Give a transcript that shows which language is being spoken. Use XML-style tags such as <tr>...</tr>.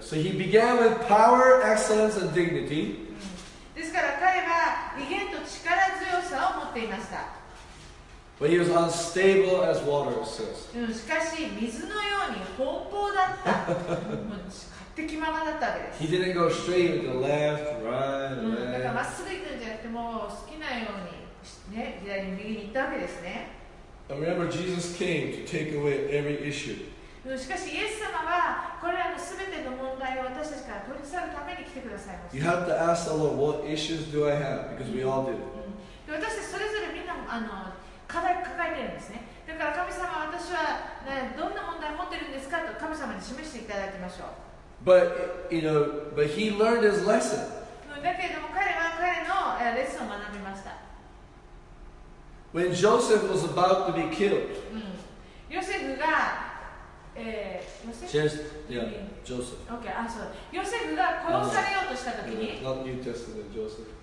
<en>So he began with power, excellence, and dignity.</en> <ja>ですから彼は威厳と力強さを持っていました。</ja> <en>But he was unstable as water, it says.</en> <ja>しかし水のように奔放だった。勝手気ままだったわけです。</ja> <en>He didn't go straight to the left, right, left.</en> <ja>だからまっすぐ行くんじゃなくて、もう好きなように、ね、左に右に行ったわけですね。</ja> <en>And remember, Jesus came to take away every issue.</en> <ja>しかし、イエス様はこれらのすべての問題を私たちから取り去るために来てくださいました。</ja> <en>You have to ask the Lord, what issues do I have? Because we all did.</en> <ja>私たちそれぞれみんなあの課題抱えてるんですね。だから神様は私は、ね、どんな問題を持ってるんですかと神様に示していただきましょう。</ja> <en>But, you know, but he learned his lesson.</en> <ja>だけれども彼は彼のレッスンを学びました。</ja> <en>When Joseph was about to be killed,</en> <ja>Joseph が</ja> <en>Joseph. Okay, so</en> <ja>Joseph が殺されようとした時に、</ja> <en>not New Testament Joseph,</en>